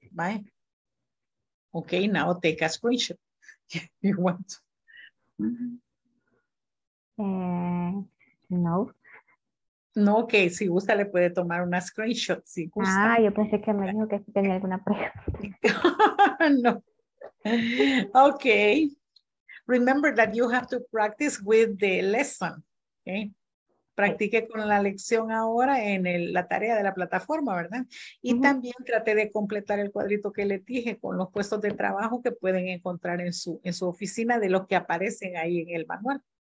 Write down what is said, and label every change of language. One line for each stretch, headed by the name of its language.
English: Bye. Ok, now take a screenshot. If you want to. Uh-huh. No.
Spanish: No, ok, si gusta le puede tomar una screenshot, si gusta. Ah, yo pensé que me dijo que tenía alguna pregunta. No. Ok.
English: Remember that you have to practice with the lesson. Okay.
Spanish: Practique con la lección ahora en la tarea de la plataforma, ¿verdad? Y uh-huh. También trate de completar el cuadrito que le dije con los puestos de trabajo que pueden encontrar en su oficina de los que aparecen ahí en el manual.